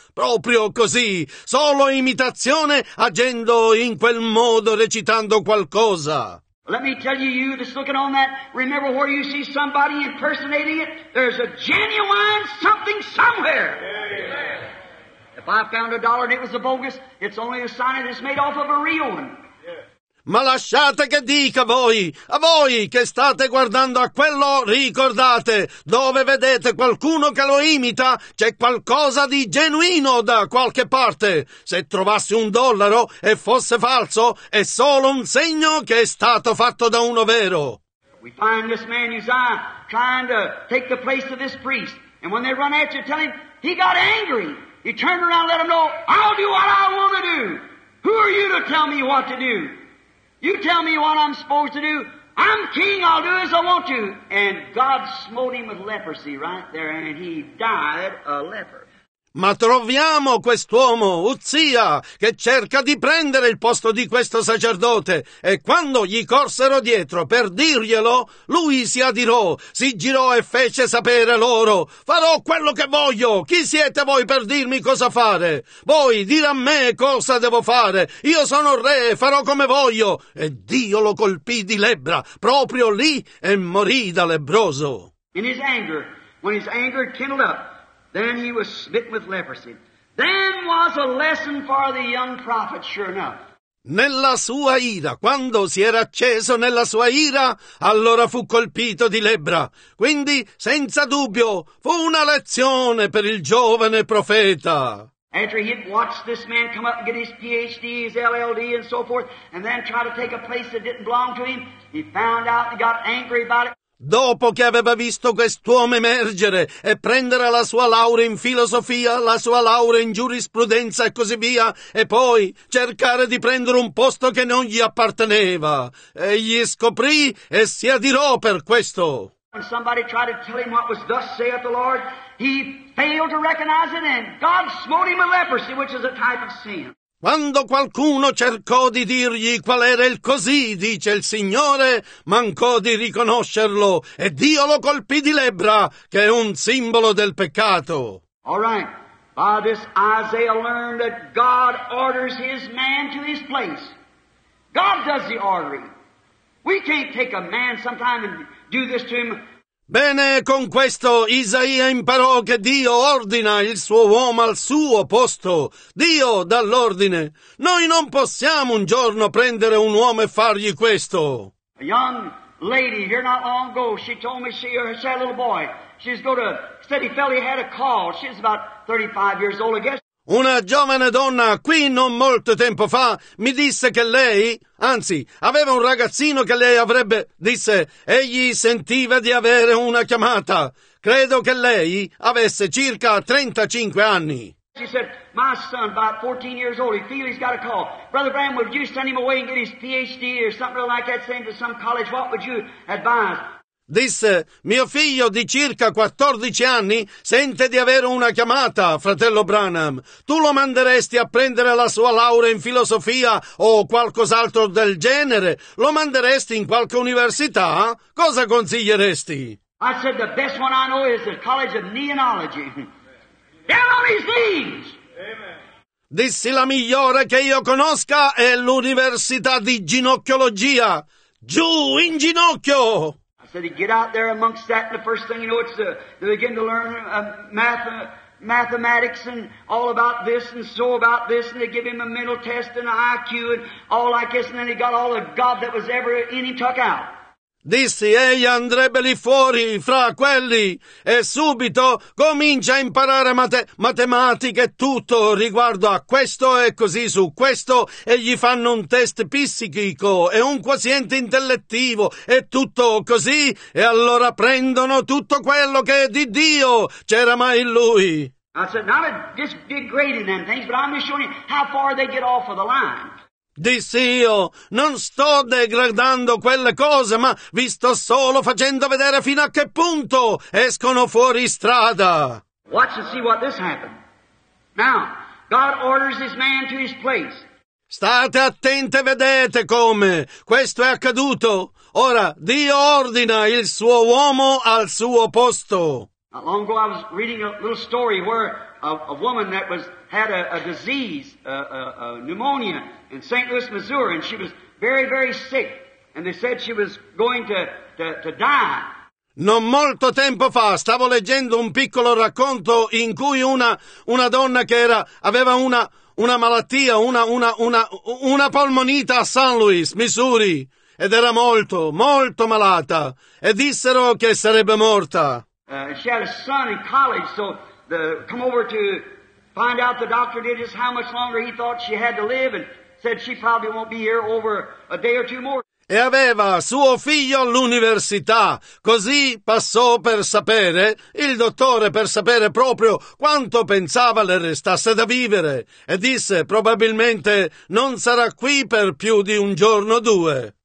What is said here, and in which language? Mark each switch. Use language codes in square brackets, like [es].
[it] Proprio così, solo imitazione, agendo in quel modo, recitando qualcosa. [en] Let me tell you, you just looking on that, remember where you see somebody impersonating it? There's a genuine something somewhere. Yeah. If I found a dollar and it was a bogus, it's only a sign that it's made off of a real one. [it] Ma lasciate che dica voi, a voi che state guardando a quello, ricordate, dove vedete qualcuno che lo imita, c'è qualcosa di genuino da qualche parte. Se trovassi un dollaro e fosse falso, è solo un segno che è stato fatto da uno vero. [en] We find this man Uzziah trying to take the place of this priest. And when they run at you, tell him, he got angry. He turned around and let him know, I'll do what I want to do. Who are you to tell me what to do? You tell me what I'm supposed to do. I'm king, I'll do as I want to. And God smote him with leprosy right there, and he died a leper. [it] Ma troviamo quest'uomo, Uzzia, che cerca di prendere il posto di questo sacerdote, e quando gli corsero dietro per dirglielo, lui si adirò, si girò e fece sapere loro, farò quello che voglio, chi siete voi per dirmi cosa fare? Voi dire a me cosa devo fare, io sono re e farò come voglio, e Dio lo colpì di lebbra, proprio lì, e morì da lebbroso. [en] In his anger, when his anger kindled up, then he was smitten with leprosy. Then was a lesson for the young prophet, sure enough. [it] Nella sua ira, quando si era acceso nella sua ira, allora fu colpito di lebbra. Quindi, senza dubbio, fu una lezione per il giovane profeta. [en] After he had watched this man come up and get his PhD, his LLD, and so forth, and then try to take a place that didn't belong to him, he found out and got angry about it. [it] Dopo che aveva visto quest'uomo emergere e prendere la sua laurea in filosofia, la sua laurea in giurisprudenza e così via, e poi cercare di prendere un posto che non gli apparteneva, egli scoprì e si adirò per questo. [en] When somebody tried to tell him what was thus saith the Lord, he failed to recognize it, and God smote him with leprosy, which is a type of sin. [it] Quando qualcuno cercò di dirgli qual era il così, dice il Signore, mancò di riconoscerlo, e Dio lo colpì di lebbra, che è un simbolo del peccato. [en] All right, by this Isaiah learned that God orders his man to his place. God does the ordering. We can't take a man sometime and do this to him. [it] Bene, con questo Isaia imparò che Dio ordina il suo uomo al suo posto. Dio dà l'ordine. Noi non possiamo un giorno prendere un uomo e fargli questo. [en] A young lady here not long ago, she told me she had a little boy. She's go to, said he felt he had a call. She's about 35 years old, I guess. [it] Una giovane donna qui non molto tempo fa mi disse che lei, anzi, aveva un ragazzino che lei avrebbe, disse, egli sentiva di avere una chiamata. Credo che lei avesse circa 35 anni. [en] She said, my son, about 14 years old, he feels he's got a call. Brother Bram, would you send him away and get his PhD or something like that, send him to some college? What would you advise? [it] Disse, mio figlio di circa 14 anni sente di avere una chiamata, fratello Branham. Tu lo manderesti a prendere la sua laurea in filosofia o qualcos'altro del genere? Lo manderesti in qualche università? Cosa consiglieresti? [en] I said, the best one I know is the College of Neonology. Down on his knees! Amen. [it] Dissi, la migliore che io conosca è l'università di ginocchiologia. Giù in ginocchio! [en] So they get out there amongst that, and the first thing you know, it's they begin to learn mathematics and all about this and so about this, and they give him a mental test and an IQ and all like this, and then he got all the God that was ever in him took out. [it] Dissi, egli andrebbe lì fuori, fra quelli, e subito comincia a imparare matematica e tutto riguardo a questo e così su questo, e gli fanno un test psichico e un quoziente intellettivo e tutto così, e allora prendono tutto quello che è di Dio, c'era mai in lui. [en] I said, now I'm just degrading them things, but I'm just showing you how far they get off of the line. [it] Dissi io, non sto degradando quelle cose, ma vi sto solo facendo vedere fino a che punto escono fuori strada. [en] Watch and see what this happened. Now, God orders this man to his place. [it] State attenti e vedete come questo è accaduto. Ora, Dio ordina il suo uomo al suo posto. [en] Not long ago I was reading a little story where a woman that was had a disease, a pneumonia, in St. Louis, Missouri, and she was very, very sick, and they said she was going to die. [it] Non molto tempo fa stavo leggendo un piccolo racconto in cui una donna che aveva una malattia, una polmonite a St. Louis, Missouri, ed era molto, molto malata, e dissero che sarebbe morta. [en] She had a son in college, so come over to find out the doctor did just how much longer he thought she had to live, and said she probably won't be here over a day or two more. [it] E aveva suo figlio all'università, così passò per sapere, il dottore per sapere proprio quanto pensava le restasse da vivere, e disse probabilmente non sarà qui per più di un giorno o due.